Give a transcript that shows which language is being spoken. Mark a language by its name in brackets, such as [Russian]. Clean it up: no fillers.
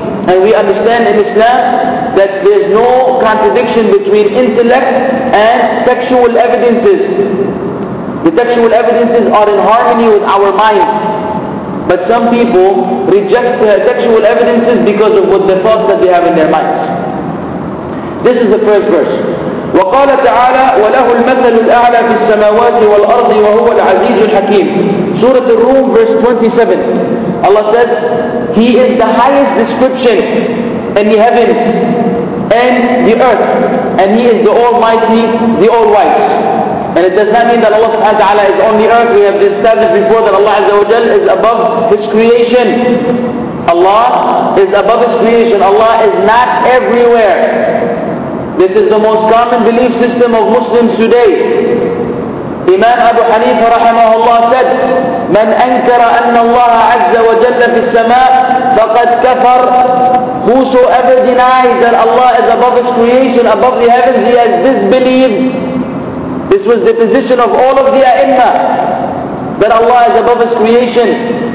[English] And we understand in Islam that there's no contradiction between intellect and textual evidences. The textual evidences are in harmony with our minds. But some people reject the textual evidences because of what the thoughts that they have in their minds. This is the first verse. [Arabic] وقال تعالى وله المثل الأعلى في السماوات والأرض وهو العزيز الحكيم. [English] سورة الروم verse 27. Allah says, He is the highest description in the heavens and the earth, and He is the Almighty, the All-Wise. And it does not mean that Allah subhanahu wa ta'ala is on the earth. We have established before that Allah Azza wa Jal is above His creation. Allah is above His creation. Allah is not everywhere. This is the most common belief system of Muslims today. Imam Abu Hanifa rahimahullah said, [Arabic] من أنكر أن الله عز وجل في السماء فقد كفر. [English] Whosoever denies that Allah is above His creation, above the heavens, he has disbelieved. This was the position of all of the a'imma, that Allah is above His creation.